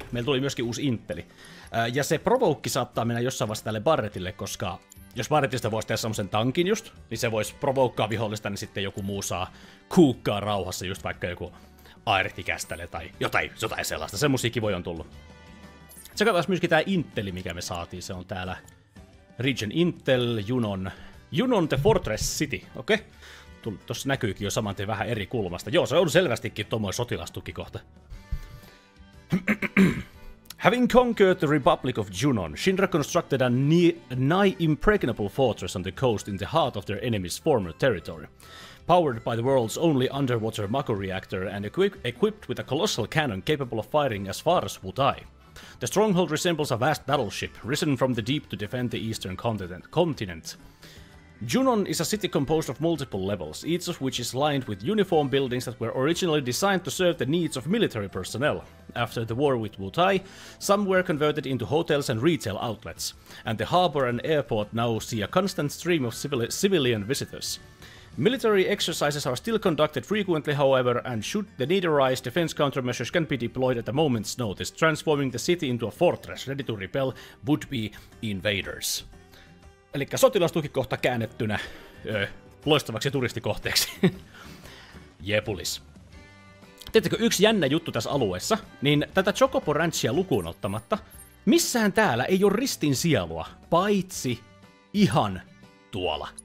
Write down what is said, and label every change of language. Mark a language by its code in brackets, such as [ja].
[fi] Meillä tuli myöskin uusi Intteli. Ja se Provoke saattaa mennä jossain vaiheessa tälle Barrettille, koska jos Barrettista voisi tehdä semmosen tankin just, niin se voisi provokkaa vihollista, niin sitten joku muu saa kuukkaa rauhassa, just vaikka joku Airetti-kästäle tai jotain sellaista. Semmosia kivoja on tullut. Tsekataan myöskin tää Intteli, mikä me saatiin. Se on täällä Region Intel, Junon the Fortress City, okei. Okay. Tuossa näkyykin jo saman tien vähän eri kulmasta. Joo, se on selvästikin tommoinen sotilastukikohta. [en] Having conquered the Republic of Junon, Shinra constructed a nigh-impregnable fortress on the coast in the heart of their enemy's former territory. Powered by the world's only underwater Mako reactor and equipped with a colossal cannon capable of firing as far as Wutai. The stronghold resembles a vast battleship, risen from the deep to defend the eastern continent. Junon is a city composed of multiple levels, each of which is lined with uniform buildings that were originally designed to serve the needs of military personnel. After the war with Wutai, some were converted into hotels and retail outlets, and the harbor and airport now see a constant stream of civilian visitors. Military exercises are still conducted frequently, however, and should the need arise, defense countermeasures can be deployed at a moment's notice, transforming the city into a fortress ready to repel would-be invaders. [fi] Eli sotilastukikohta käännettynä loistavaksi turistikohteeksi. Jepulis. Tiedättekö, yksi jännä juttu tässä alueessa, niin tätä Chocobo Ranchia lukuun ottamatta, missään täällä ei ole ristin sielua, paitsi ihan tuolla.